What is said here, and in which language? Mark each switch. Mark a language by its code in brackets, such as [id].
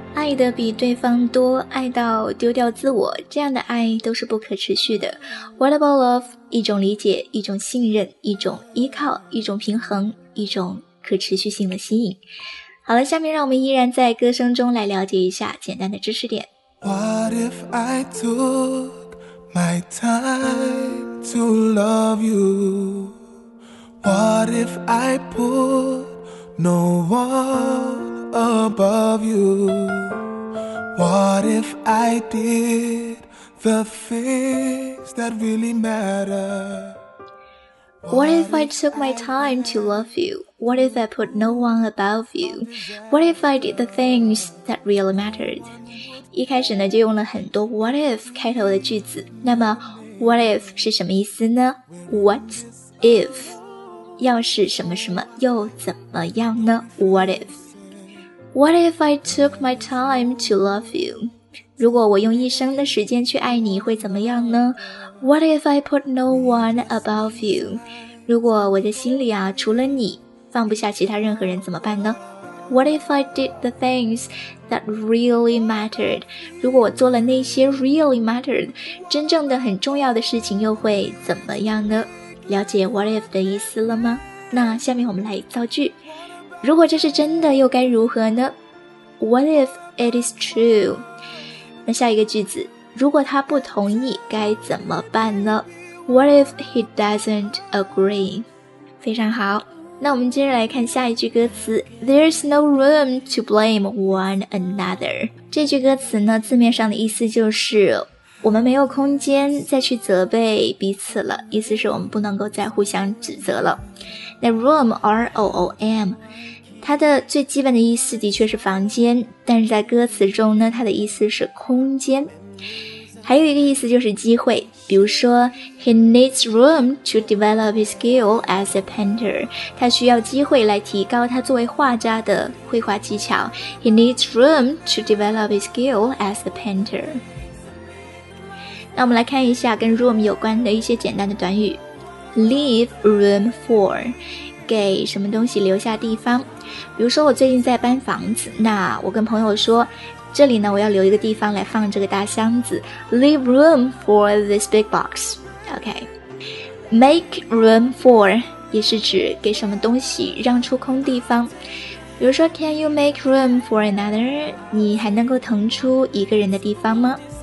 [zh] 爱的比对方多，爱到丢掉自我，这样的爱都是不可持续的。 [en] What about love? [zh] 一种理解，一种信任，一种依靠，一种平衡，一种可持续性的吸引。好了，下面让我们依然在歌声中来了解一下简单的知识点。 [en] What if I took my time to love you? What if I put no one above you? What if I did the things that really matter? What if I took my time to love you? What if I put no one above you? What if I did the things that really mattered? [zh] 一开始呢就用了很多 what if 开头的句子。那么 what if 是什么意思呢？ What if 要是什么什么又怎么样呢？ [en] What if? What if I took my time to love you? [zh] 如果我用一生的时间去爱你会怎么样呢？ [en] What if I put no one above you? [zh] 如果我的心里啊除了你放不下其他任何人怎么办呢？ [en] What if I did the things that really mattered? [zh] 如果我做了那些 [en] really mattered [zh] 真正的很重要的事情又会怎么样呢？了解 what if 的意思了吗？那下面我们来造句。如果这是真的又该如何呢？ [en] What if it is true? [zh] 那下一个句子，如果他不同意该怎么办呢？ [en] What if he doesn't agree? [zh] 非常好，那我们接着来看下一句歌词。 [en] There's no room to blame one another. [zh] 这句歌词呢，字面上的意思就是我们没有空间再去责备彼此了，意思是我们不能够再互相指责了。那 room, R-O-O-M,它的最基本的意思的确是房间，但是在歌词中呢，它的意思是空间。还有一个意思就是机会，比如说 [en] He needs room to develop his skill as a painter. [zh] 他需要机会来提高他作为画家的绘画技巧。 [en] He needs room to develop his skill as a painter. [zh] 那我们来看一下跟 room 有关的一些简单的短语。Leave room for给什么东西留下地方，比如说我最近在搬房子，那我跟朋友说，这里呢我要留一个地方来放这个大箱子， [en] leave room for this big box. OK, make room for [zh] 也是指给什么东西让出空地方，比如说 [en] can you make room for another? [zh] 你还能够腾出一个人的地方吗？